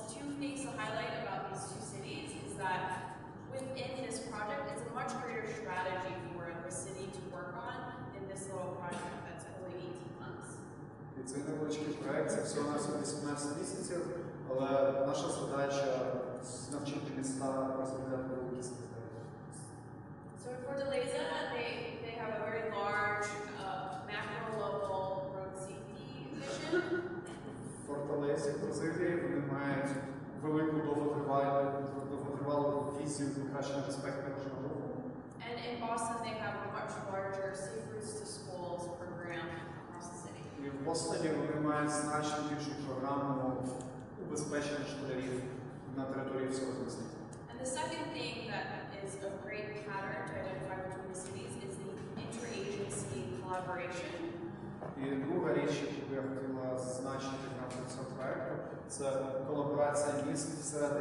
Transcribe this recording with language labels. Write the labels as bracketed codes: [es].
[en] Two things to highlight about these two cities is that within this project, it's a much greater strategy for the city to work on in this little project that's only 18 months. It's a [uk] невеличкий проект, це всього нас 18 місяців, але наша задача – навчити міста розглядати великі стратегії. [en] So in Fortaleza, they have a very large macro-level road safety vision. [uk] В Fortaleza, в Бразилії, вони мають велику довготривалу фізію покращення безпеки дорожнього руху. [en] And in Boston they have a much larger safe routes to schools program across the city. [uk] І в Бостоні вони мають значно більшу програму убезпечення школярів на території всього міста. [en] And the second thing that is a great pattern to identify between the cities is the interagency collaboration. [uk] І друга річ, яку я хотіла зазначити в рамках цього проекту, це колаборація міст всередині